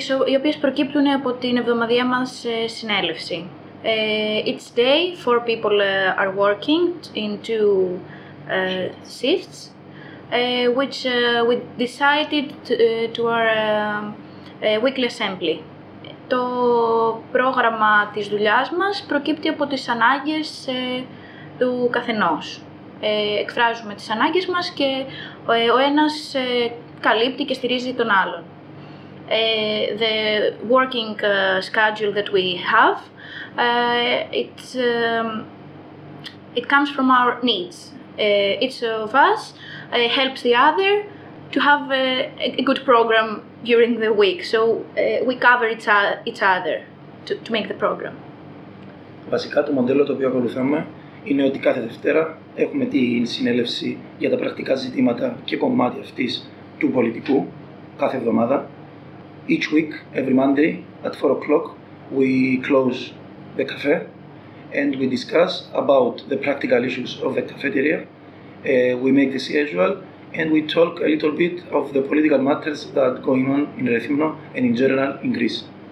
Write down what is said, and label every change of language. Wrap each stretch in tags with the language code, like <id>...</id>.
<el>Οι οποίες προκύπτουν από την εβδομαδιαία μας συνέλευση.</el> <en>Each day, 4 people are working in 2 shifts, which we decided to our weekly assembly.</en> <el>Το πρόγραμμα της δουλειάς μας προκύπτει από τις ανάγκες του καθενός. Εκφράζουμε τις ανάγκες μας και ο ένας καλύπτει και στηρίζει τον άλλον.</el> <en>The working schedule that we have, it comes from our needs. Each of us helps the other to have a good program during the week. So we cover each other to make the program.</en> <el>Βασικά το μοντέλο το οποίο ακολουθάμε είναι ότι κάθε Δευτέρα έχουμε την συνέλευση για τα πρακτικά ζητήματα και κομμάτια αυτής του πολιτικού κάθε εβδομάδα.</el> <en>Each week, every Monday at 4 o'clock, we close the cafe and we discuss about the practical issues of the cafeteria. We make the schedule and we talk a little bit of the political matters that are going on in Ρεθύμνο and in general in Greece.</en>